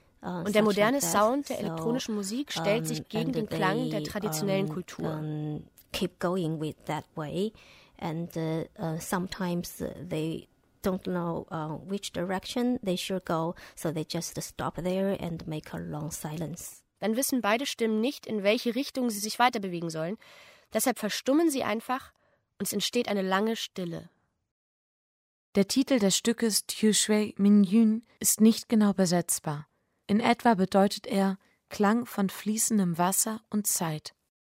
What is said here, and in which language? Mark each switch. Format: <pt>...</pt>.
<de>Und der moderne Sound der elektronischen Musik stellt sich gegen den Klang der traditionellen Kultur.</de> <en>Keep going with that way. And sometimes they don't know which direction they should go, so they just stop there and make a long silence.</en> <de>Dann wissen beide Stimmen nicht, in welche Richtung sie sich weiter bewegen sollen. Deshalb verstummen sie einfach und es entsteht eine lange Stille. Der Titel des Stückes Tu Shui Min Yun ist nicht genau besetzbar. In etwa bedeutet er Klang von fließendem Wasser und Zeit.</de>